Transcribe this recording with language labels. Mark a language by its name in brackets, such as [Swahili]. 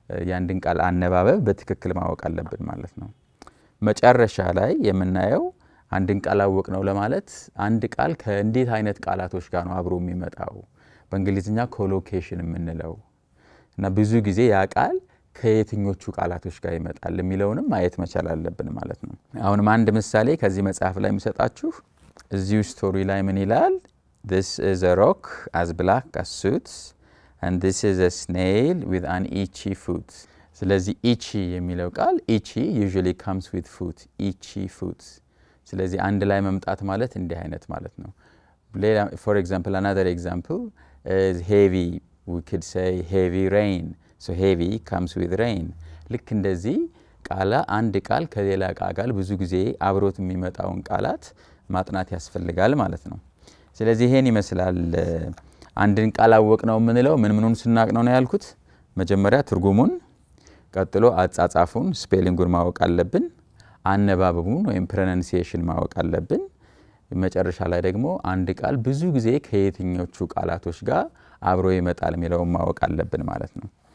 [Amharic] ያንድን ቃል አነባበብ በትክክል ማወቅ አለብን ማለት ነው። መጨረሻ ላይ የምናየው አንድን ቃል አወቅ ነው ለማለት አንድ ቃል ከእንዴት አይነት ቃላቶች ጋር ነው አብሮ የሚመጣው በእንግሊዝኛ ኮሎኬሽን የምንለው እና ብዙ ጊዜ ያ ቃል ከየትኞቹ ቃላቶች ጋር ይመጣል የሚለውንም ማየት መቻል አለብን ማለት ነው። አሁንም አንድ ምሳሌ ከዚህ መጽሐፍ ላይ የሚሰጣችሁ እዚሁ ስቶሪ ላይ ምን ይላል? [English] This is a rock as black as soot and this is a snail with an itchy foot. [Amharic] ስለዚህ [English] itchy [Amharic] የሚለው ቃል [English] itchy usually comes with foot, itchy foot. [Amharic] ስለዚህ አንድ ላይ መምጣት ማለት እንዲህ አይነት ማለት ነው። ሌላ [English] for example another example is heavy, we could say heavy rain. So heavy comes with rain. [Amharic] ልክ እንደዚህ ቃላ አንድ ቃል ከሌላ ቃል ብዙ ጊዜ አብሮት የሚመጣውን ቃላት ማጥናት ያስፈልጋል ማለት ነው። ስለዚህ ይሄን ይመስላል አንድን ቃል አወቅነው ምንለው ምንምኑን ስናቀነው ነው ያልኩት መጀመሪያ ትርጉሙን ቀጥሎ አጻጻፉን ስፔሊንጉን ማወቅ አለብን አነባበቡን ወይም ፕሮናንሲየሽን ማወቅ አለብን መጨረሻ ላይ ደግሞ አንድ ቃል ብዙ ጊዜ ከየትኞቹ ቃላቶች ጋር አብሮ ይመጣል ማለት ነው ማወቅ አለብን ማለት ነው